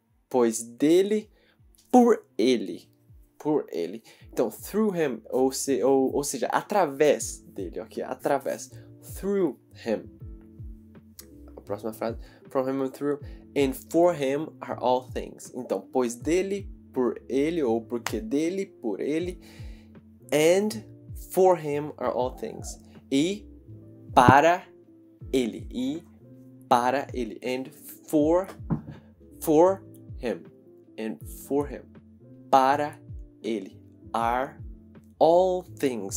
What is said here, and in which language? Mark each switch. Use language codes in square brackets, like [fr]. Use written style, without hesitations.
[pt] Pois dele, por ele. Por ele. Então, through him, ou seja, através dele, ok? Através. Through him. A próxima frase. From him and through. [en] And for him are all things. [pt] Então, pois dele, por ele, ou porque dele, por ele. [en] And for him are all things. [pt] E para ele. E para ele. [en] And for him. And for him. Para ele. Are all things.